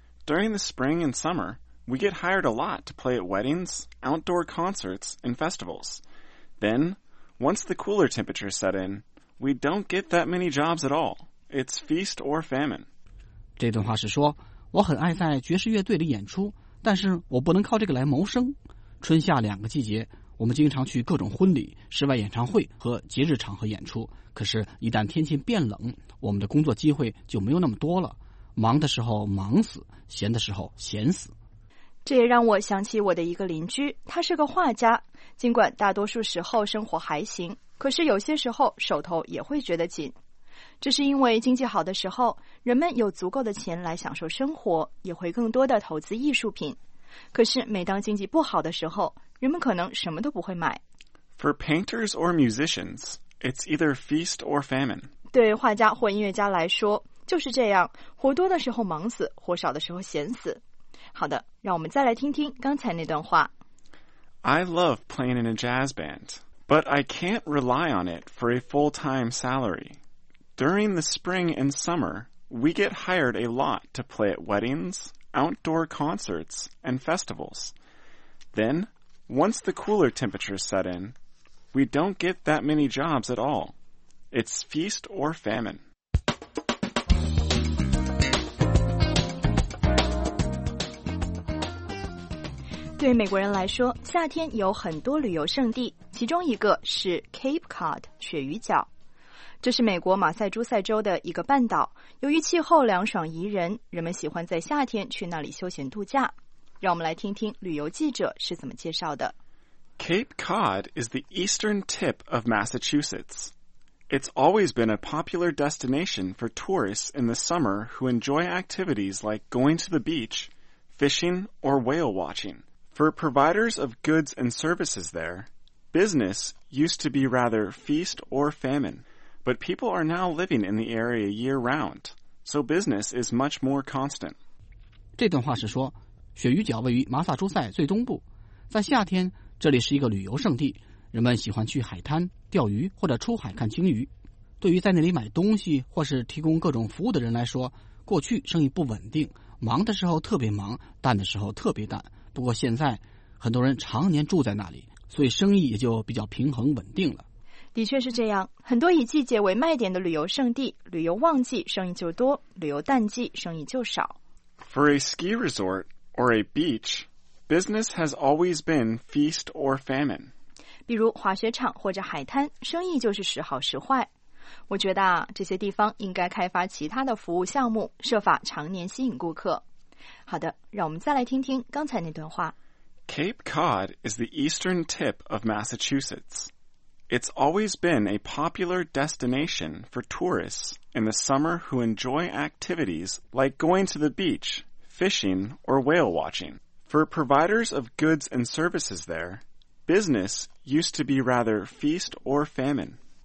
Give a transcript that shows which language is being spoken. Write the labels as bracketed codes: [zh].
[en] During the spring and summer, we get hired a lot to play at weddings, outdoor concerts, and festivals. Then... Once the cooler temperatures set in, we don't get that many jobs at all. It's feast or famine. [zh] 这段话是说，我很爱在爵士乐队里演出，但是我不能靠这个来谋生。春夏两个季节，我们经常去各种婚礼、室外演唱会和节日场合演出。可是，一旦天气变冷，我们的工作机会就没有那么多了。忙的时候忙死，闲的时候闲死。这也让我想起我的一个邻居，他是个画家。尽管大多数时候生活还行，可是有些时候手头也会觉得紧。这是因为经济好的时候，人们有足够的钱来享受生活，也会更多的投资艺术品。可是每当经济不好的时候，人们可能什么都不会买。 [en] For painters or musicians, it's either feast or famine. [zh] 对画家或音乐家来说，就是这样，活多的时候忙死，活少的时候闲死。好的，让我们再来听听刚才那段话。 [en] I love playing in a jazz band, but I can't rely on it for a full-time salary. During the spring and summer, we get hired a lot to play at weddings, outdoor concerts, and festivals. Then, once the cooler temperatures set in, we don't get that many jobs at all. It's feast or famine. [zh] 对美国人来说，夏天有很多旅游胜地，其中一个是 Cape Cod 鳕鱼角。这是美国马赛诸塞州的一个半岛，由于气候凉爽宜人，人们喜欢在夏天去那里休闲度假。让我们来听听旅游记者是怎么介绍的。 [en] Cape Cod is the eastern tip of Massachusetts. It's always been a popular destination for tourists in the summer who enjoy activities like going to the beach, fishing, or whale watching. For providers of goods and services there, business used to be rather feast or famine, but people are now living in the area year-round, so business is much more constant. [zh] 这段话是说，鳕鱼角位于马萨诸塞最东部，在夏天，这里是一个旅游胜地，人们喜欢去海滩钓鱼或者出海看鲸鱼。对于在那里买东西或是提供各种服务的人来说，过去生意不稳定，忙的时候特别忙，淡的时候特别淡。不过现在很多人常年住在那里，所以生意也就比较平衡稳定了。的确是这样，很多以季节为卖点的旅游胜地，旅游旺季生意就多，旅游淡季生意就少。 [en] For a ski resort or a beach, business has always been feast or famine. [zh] 比如滑雪场或者海滩，生意就是时好时坏。我觉得啊，这些地方应该开发其他的服务项目，设法常年吸引顾客。好的，让我们再来听听刚才那段话。 [en] Cape Cod is the eastern tip of Massachusetts. It's always been a popular destination for tourists in the summer who enjoy activities like going to the beach, fishing, or whale watching. For providers of goods and services there, business used to be rather feast or famine.